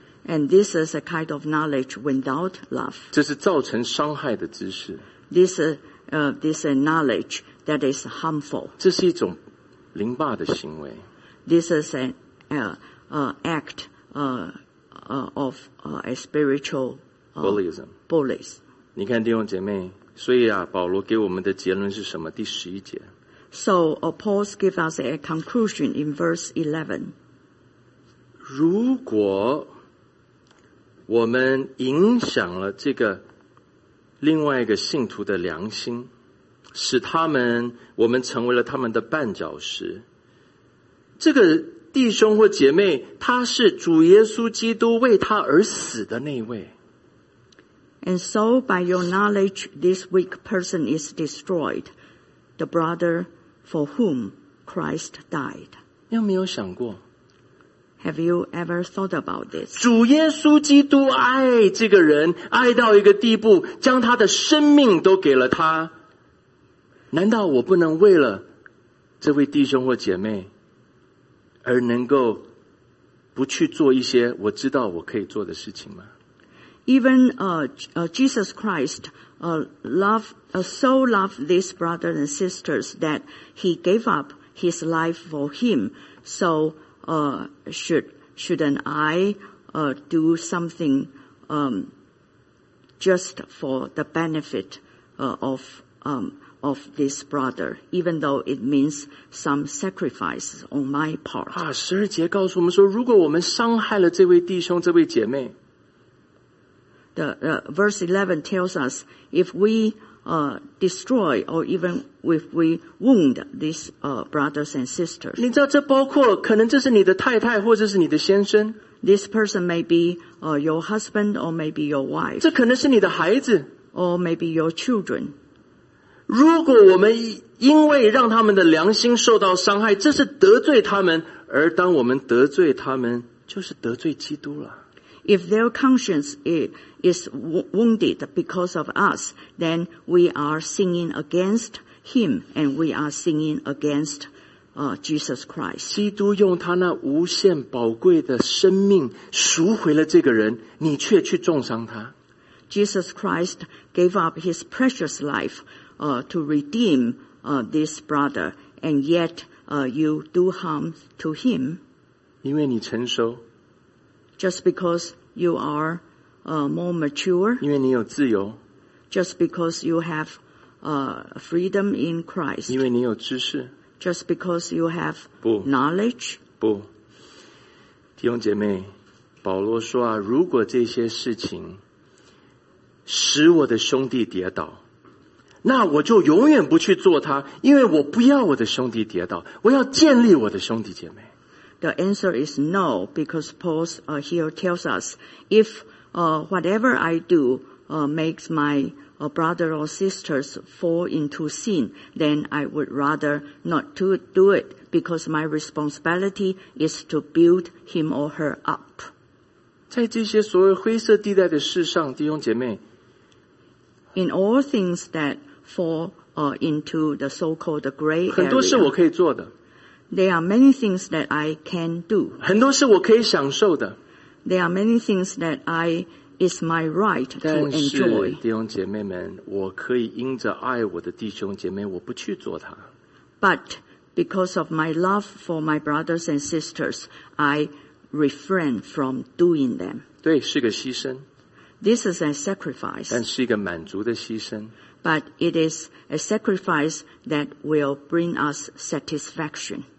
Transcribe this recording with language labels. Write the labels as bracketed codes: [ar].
[en] And this is a kind of knowledge without love. [zh] 这是造成伤害的知识。 [en] This is a knowledge that is harmful. [zh] 这是一种凌霸的行为。 [en] This is an act of a spiritual bullyism. Bullies. [zh] 你看弟兄姐妹，所以啊，保罗给我们的结论是什么？第十一节。 [en] So Paul gives us a conclusion in verse 11. [zh] 如果我们影响了这个另外一个信徒的良心，使他们，我们成为了他们的绊脚石。这个弟兄或姐妹，他是主耶稣基督为他而死的那位。 [en] And so by your knowledge, this weak person is destroyed, the brother for whom Christ died. [zh] 你有没有想过？ [en] Have you ever thought about this? [zh] 主耶稣基督爱这个人，爱到一个地步，将他的生命都给了他。难道我不能为了这位弟兄或姐妹，而能够不去做一些我知道我可以做的事情吗？ [en] Even Jesus Christ so loved these brothers and sisters that he gave up his life for him. So,shouldn't I do something just for the benefit of this brother, even though it means some sacrifice on my part? [zh] 啊，十二节告诉我们说，如果我们伤害了这位弟兄、这位姐妹 [en] ，the verse 11 tells us if we destroy or even if we wound these brothers and sisters. [zh] 你知道这包括可能这是你的太太或者是你的先生。 [en] This person may be your husband or maybe your wife. [zh] 这可能是你的孩子。 [en] Or maybe your children. [zh] 如果我们因为让他们的良心受到伤害，这是得罪他们，而当我们得罪他们，就是得罪基督了。 [en] If their conscience is wounded because of us, then we are sinning against him and we are sinning against Jesus Christ. [zh] 基督用他那无限宝贵的生命赎回了这个人，你却去重伤他。 [en] Jesus Christ gave up his precious life to redeem this brother, and yet you do harm to him. [zh] 因为你成熟。 [en] Just because you are more mature. [zh] 因为你有自由。 [en] Just because you have freedom in Christ. [zh] 因为你有知识。 [en] Just because you have knowledge. [zh] 不。弟兄姐妹，保罗说啊，如果这些事情使我的兄弟跌倒，那我就永远不去做它，因为我不要我的兄弟跌倒，我要建立我的兄弟姐妹。 [en] The answer is no, because Paul here tells us, if whatever I do makes my brother or sisters fall into sin, then I would rather not to do it, because my responsibility is to build him or her up. [zh] 在这些所谓灰色地带的事上，弟兄姐妹， [en] In all things that fall into the so-called gray area, [zh] 很多是我可以做的。 [en] There are many things that I can do. [zh] 很多是我可以享受的。 [en] There are many things that is my right to enjoy. [zh] 但是弟兄姐妹们，我可以因着爱我的弟兄姐妹，我不去做它。 [en] But because of my love for my brothers and sisters, I refrain from doing them. [zh] 对，是个牺牲。 [en] This is a sacrifice. [zh] 但是一个满足的牺牲。 [en] But it is a sacrifice that will bring us satisfaction.